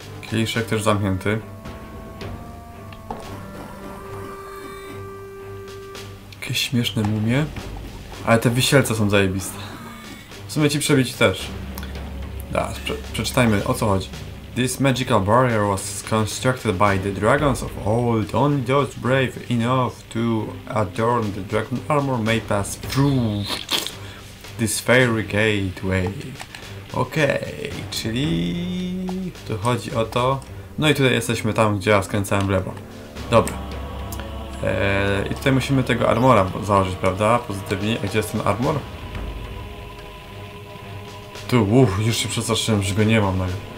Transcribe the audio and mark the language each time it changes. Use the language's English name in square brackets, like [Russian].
[Polish] Kieliszek też zamknięty. Jakie śmieszne mumie. Ale te wisielce są zajebiste. W sumie ci przebić też. Dobra, przeczytajmy, o co chodzi. [English] This magical barrier was constructed by the dragons of old. Only those brave enough to adorn the dragon armor may pass through this fairy gateway. [Polish] Okej, okay, czyli tu chodzi o to. No i tutaj jesteśmy tam, gdzie ja skręcałem w lewo. Dobra. I tutaj musimy tego armora założyć, prawda? Pozytywnie. A gdzie jest ten armor? Tu, już się przestraszyłem, że go nie mam nagle.